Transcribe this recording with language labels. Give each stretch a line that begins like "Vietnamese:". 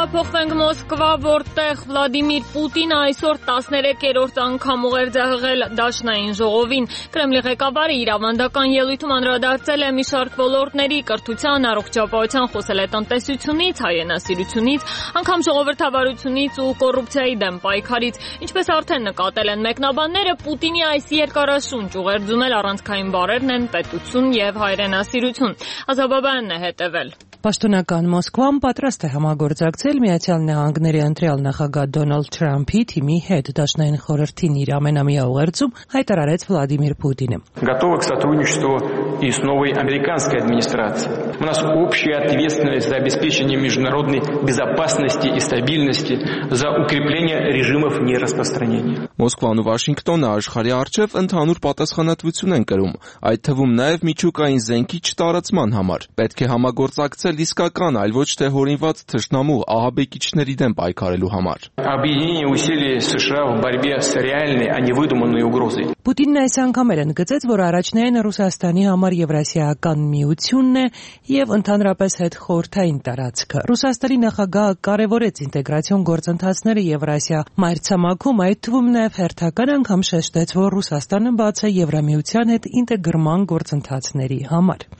Armenian: տեղափոխվենք Մոսկվա, որտեղ Վլադիմիր Պուտինը այսօր 13-րդ անգամ ուղերձահղել Դաշնային ժողովին։ Կրեմլի ղեկավարը իր ավանդական ելույթում անդրադարձել է մի շարք ոլորտների կրթության, առողջապահության, խոսել է տնտեսությունից, հայրենասիրությունից, անգամ ժողովրդավարությունից ու կոռուպցիայի դեմ պայքարից։ Ինչպես արդեն նկատել են մեկնաբանները, Պուտինի այս երկարաշունչ ուղերձում էլ առանցքային բարերն են պետություն և հայրենասիրություն։ Ազաբաբյանն է հետևել։ Պաշտոնական Մոսկվան պատրաստ է համագործակցել Միացյալ Նահանգների ընտրյալ նախագահ Դոնալդ Թրամփի թիմի հետ Դաշնային խորհրդին իր ամենամյա ուղերձում, հայտարարեց Վլադիմիր Պուտինը։
Russian: Готовы к сотрудничеству и с новой американской администрацией. У нас общая ответственность за обеспечение международной безопасности и стабильности, за укрепление режимов нераспространения.
Armenian: Մոսկվան ու Վաշինգտոնը աշխարհի առջև ընդհանուր պատասխանատվություն են կրում, այդ թվում նաև միջուկային զենքի չտարածման համար։ Պետք է համագործակցել իսկական, այլ ոչ թե հորինված թշնամու ահաբեկիչների դեմ պայքարելու համար։
Russian: Объединение усилий США в борьбе с реальной, а не выдуманной угрозой։
Armenian: Պուտինն այս անգամ էր ընդգծեց, որ առաջնային Ռուսաստանի համար Եվրասիական միությունն է եւ ընդհանրապես հետ խորթային տարածքը։ Ռուսաստանի նախագահը կարևորեց ինտեգրացիոն գործընթացները Եվրասիա մայրցամաքում, այդ թվում նաեւ հերթական անգամ շեշտեց, որ Ռուսաստանը բաց է Եվրամիության հետ ինտեգրման գործընթացների համար։